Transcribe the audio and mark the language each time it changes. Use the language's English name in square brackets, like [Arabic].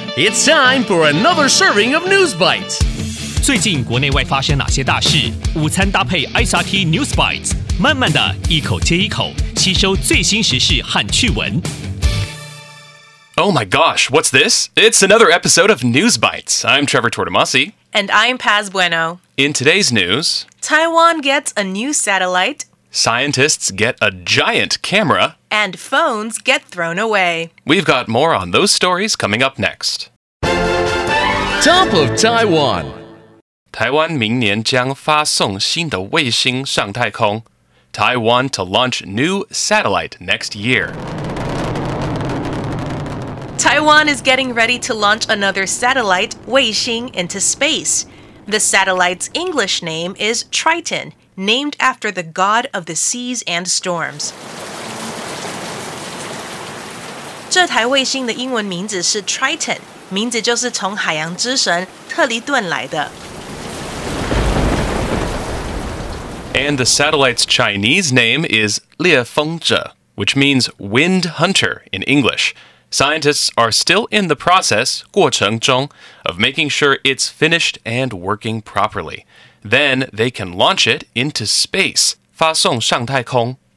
[English] It's time for another serving of News Bites. [Chinese] 最近国内外发生哪些大事？午餐搭配 SRT News Bites， 慢慢的一口接一口，吸收最新时事和趣闻。 [English] Oh my gosh, what's this? It's another episode of News Bites. I'm Trevor Tortomasi. And I'm Paz Bueno. In today's news, Taiwan gets a new satellite, scientists get a giant camera, and phones get thrown away. We've got more on those stories coming up next. Top of Taiwan. [Chinese] 台湾明年将发送新的卫星上太空。 [English] Taiwan to launch new satellite next year. Taiwan is getting ready to launch another satellite, Weixing, into space. The satellite's English name is Triton, named after the god of the seas and storms. [Chinese] 这台卫星的英文名字是 Triton, 名字就是从海洋之神特里顿来的。 [English] And the satellite's Chinese name is Lie Feng Zhe, which means wind hunter in English. Scientists are still in the process, 过程中, of making sure it's finished and working properly. Then they can launch it into space, 发送上太空.